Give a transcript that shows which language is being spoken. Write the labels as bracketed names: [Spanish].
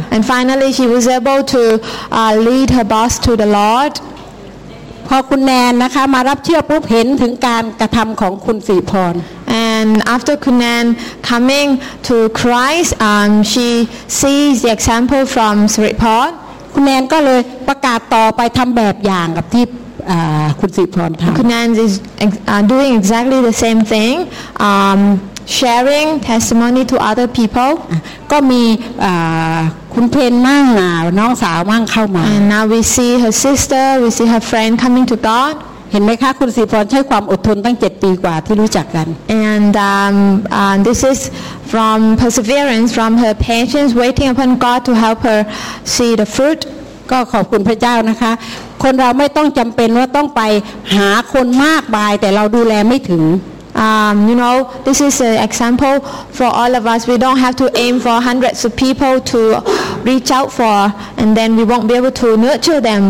[English] and finally she was able to lead her boss to the Lord [Thai] พอคุณแนนนะคะมารับเชื่อปุ๊บเห็นถึงการกระทำของคุณสิพร [English] and after คุณแนน coming to Christ she sees the example from สิริพร [Thai] คุณแนนก็เลยประกาศต่อไปทำแบบอย่างกับที่คุณสิพรทำ [English] คุณแนน is doing exactly the same thing sharing testimony to other people [Thai] ก็มีคุณเพนมั่งน้องสาวมั่งเข้ามา [English] and now we see her sister we see her friend coming to God [Thai] เห็นไหมคะคุณสิพรใช้ความอดทนตั้ง7ปีกว่าที่รู้จักกัน [English] and this is from perseverance from her patience waiting upon God to help her see the fruit [Thai] ก็ขอบคุณพระเจ้านะคะคนเราไม่ต้องจำเป็นว่าต้องไปหาคนมากมายแต่เราดูแลไม่ถึง [English] You know, this is an example for all of us. We don't have to aim for hundreds of people to reach out for, and then we won't be able to nurture them.